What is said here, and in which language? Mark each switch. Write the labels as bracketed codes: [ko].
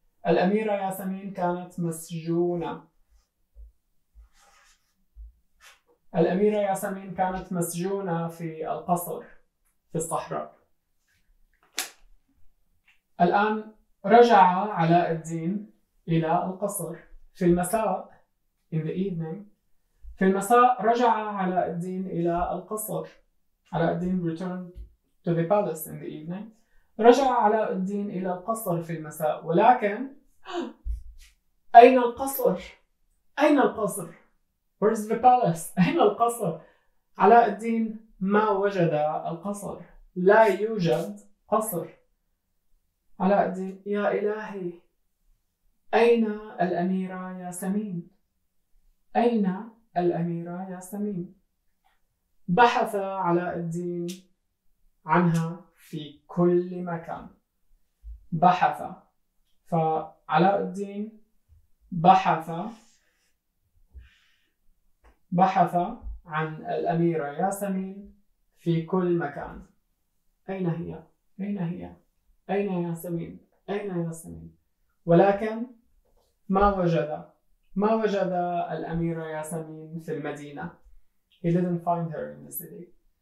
[ar] الأميرة ياسمين كانت مسجونة. الأميرة ياسمين كانت مسجونة في القصر في الصحراء. الآن رجع علاء الدين إلى القصر. في المساء [en] in the evening. [ar] في المساء رجع علاء الدين إلى القصر. [en] علاء الدين returned to the palace in the evening. [ar] رجع علاء الدين إلى القصر في المساء، ولكن أين القصر؟ أين القصر؟ [en] Where's the palace؟ [ar] أين القصر؟ علاء الدين ما وجد القصر. لا يوجد قصر. علاء الدين: يا إلهي، أين الأميرة ياسمين؟ أين الأميرة ياسمين؟ بحث علاء الدين عنها في كل مكان. بحث. فعلاء الدين بحث عن الأميرة ياسمين في كل مكان. أين هي؟ أين هي؟ أين ياسمين؟ أين ياسمين؟ ولكن ما وجد الأميرة ياسمين في المدينة. [en] He didn't find her in the city.